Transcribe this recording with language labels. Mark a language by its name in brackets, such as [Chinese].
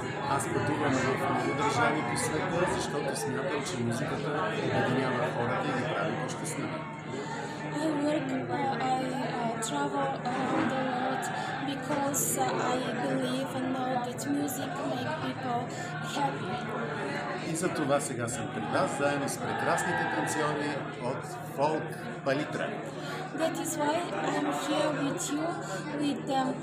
[Bulgarian] Аз пътувам в много държави по света, защото смятам, че музиката обединява хората и ги прави по-щастливи. [English] I work, travel around the world because I believe and know that music make people happy. [Bulgarian] И за това сега съм при вас заедно с прекрасните танцори от фолк палитра. [English] That is why I'm here with you, with the